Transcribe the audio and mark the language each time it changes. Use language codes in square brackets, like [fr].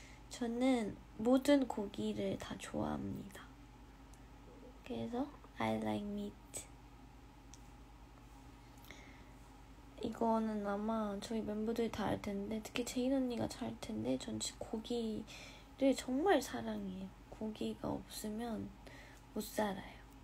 [ko] 저는 모든 고기를 다 좋아합니다. 그래서 [en] I like meat. [ko] 이거는 아마 저희 멤버들 다 알 텐데, 특히 제인 언니가 잘 알 텐데, 전 고기를 정말 사랑해요. 고기가 없으면 못 살아요.